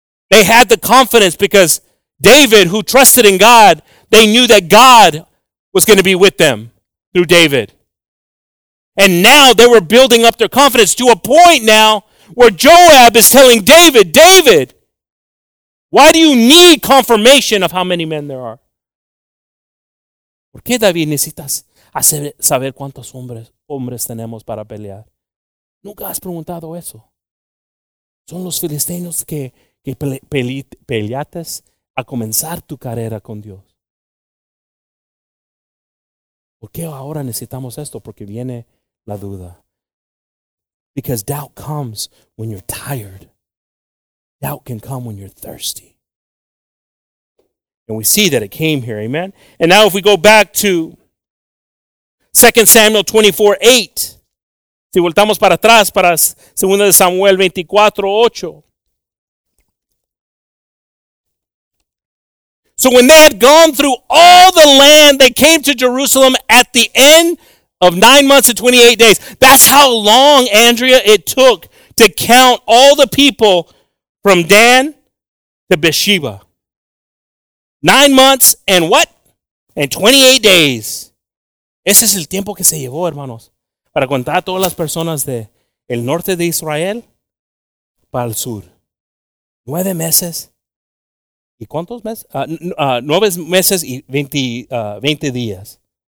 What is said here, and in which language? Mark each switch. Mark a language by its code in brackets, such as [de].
[en] They had the confidence because David, who trusted in God, they knew that God was going to be with them through David. And now they were building up their confidence to a point now where Joab is telling David, David, why do you need confirmation of how many men there are? [es] ¿Por qué, David, necesitas saber cuántos hombres tenemos para pelear? ¿Nunca has preguntado eso? Son los filisteños que peleaste a comenzar tu carrera con Dios. ¿Por qué ahora necesitamos esto? Porque viene la duda. [en] Because doubt comes when you're tired. Doubt can come when you're thirsty. And we see that it came here, amen? And now if we go back to 2 Samuel 24:8, [es] si voltamos para atrás, para 2 Samuel 24:8. [en] So when they had gone through all the land, they came to Jerusalem at the end of 9 months and 28 days. That's how long, Andrea, it took to count all the people from Dan to Beersheba. 9 months and what? And 28 days. [es] Ese es el tiempo que se llevó, hermanos, para contar a todas las personas de el norte de Israel para el sur. 9 meses. ¿Y cuántos meses? 9 meses y 20 días.